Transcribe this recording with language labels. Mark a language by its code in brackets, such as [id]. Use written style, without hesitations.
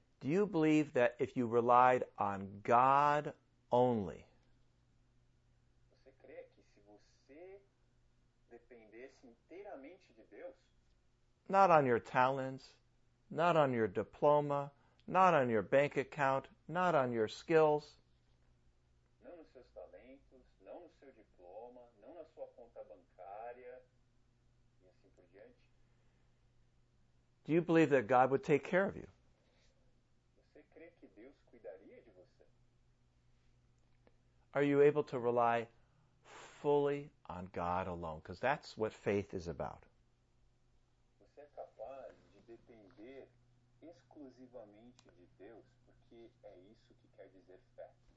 [en] Do you believe that if you relied on God only, [pt] você crê que se você dependesse inteiramente de Deus, [en] not on your talents, not on your diploma, not on your bank account, not on your skills, [pt] não nos seus talentos, não no seu diploma, não na sua conta bancária, e assim por diante, [en] do you believe that God would take care of you? [pt] Você crê que Deus cuidaria de você? [en] Are you able to rely fully on God alone? Because that's what faith is about. [pt] Você é capaz de depender exclusivamente de Deus, porque é isso que quer dizer fé.